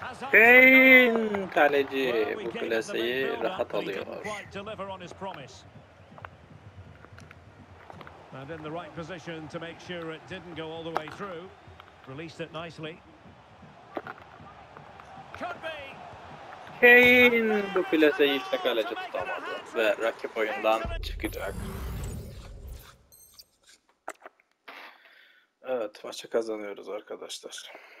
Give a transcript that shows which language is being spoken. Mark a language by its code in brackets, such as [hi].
[tr] Kane kaleci bu klasiği rahat alıyor. [en] Deliver on his promise. And in the right position to make sure it didn't go all the way through. Released it nicely. Could be. [tr] Kane bu klasiği işte kaleci tutamadı ve rakip oyundan çıkacak. Evet, maçı kazanıyoruz arkadaşlar.